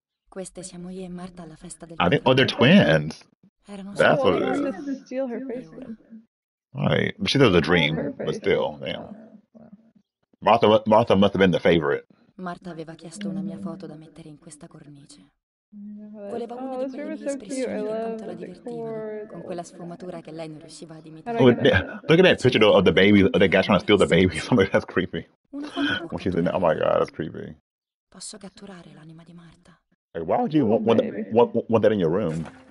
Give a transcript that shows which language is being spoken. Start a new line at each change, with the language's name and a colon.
Italian: Queste siamo io e Marta alla festa del.
English: Oh, they're twins. That's what it is. Steal her face. Right, she does a dream, but still, damn. Martha must have been the favorite.
Italian: Marta aveva chiesto una mia foto da mettere in questa cornice.
English: Yeah, oh, this room is so cute. I love the decor.
Italian: Con quella sfumatura che lei non riusciva ad imitare.
English: Oh, look at that picture though, of the baby, of the guy trying to steal the baby. Somebody, that's creepy. When she's in, oh my god, that's creepy.
Italian: Posso catturare l'anima di Marta?
English: Hey, why would you want that in your room?